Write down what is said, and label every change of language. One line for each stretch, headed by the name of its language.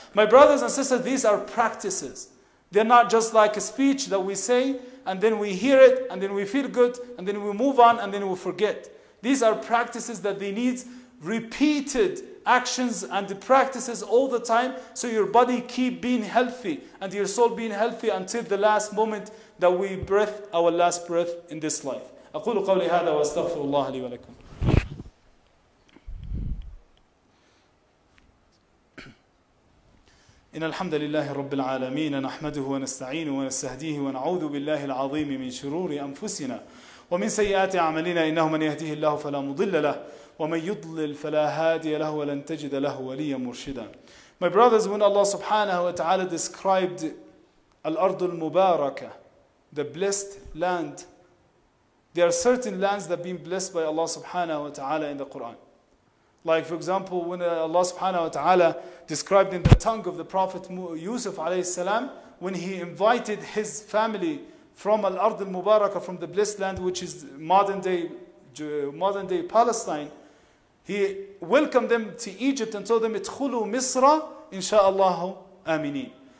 English: My brothers and sisters, these are practices. They're not just like a speech that we say, and then we hear it, and then we feel good, and then we move on, and then we forget. These are practices that they need repeated actions and the practices all the time, so your body keep being healthy and your soul being healthy until the last moment that we breath our last breath in this life.
Arabic: أقول قولي هذا واستغفر الله لي ولكم. إن الحمد لله رب العالمين نحمده ونستعين ونستهديه ونعوذ بالله العظيم من شرور أنفسنا ومن سيئات أعمالنا إنه من يهده الله فلا مضل له ومن يضلل فلا هادي له ولن تجد له وليا مرشدا.
English: My brothers, when Allah subhanahu wa ta'ala described
Arabic: الأرض المباركة,
English: the blessed land, there are certain lands that have been blessed by Allah subhanahu wa ta'ala in the Quran. Like, for example, when Allah subhanahu wa ta'ala described in the tongue of the Prophet Yusuf alayhi salam, when he invited his family from Al-Ard al-Mubarakah, from the blessed land, which is modern-day Palestine, he welcomed them to Egypt and told them,
Arabic: "Idkhulu Misra, insha'Allahu, amineen."